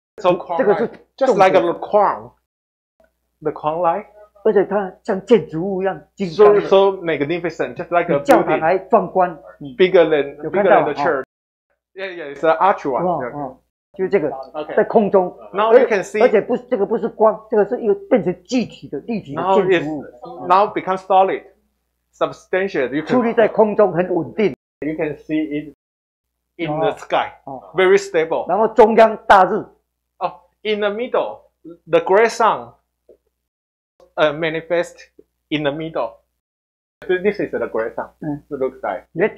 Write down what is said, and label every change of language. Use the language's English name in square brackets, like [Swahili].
[English] So quang light, just like a quang, the quang light. [Chinese] 而且它像建筑物一样金刚的。 [English] So magnificent, just like a building. [Chinese] 教堂还壮观。 [English] Bigger than the church. Yeah, it's an arch one. [Chinese] 就是这个 <Okay. S 1> 在空中， [English] now you can see, [Chinese] 而且不是这个不是光，这个是又变成具体的立体的建筑物。 [English] Now, now become solid, substantial. [Chinese] 矗立在空中很稳定。 [English] You can see it in the sky, very stable. [Chinese] 然后中央大日。 Oh, [English] in the middle, the great sun manifests in the middle. This is the great sun. It looks like.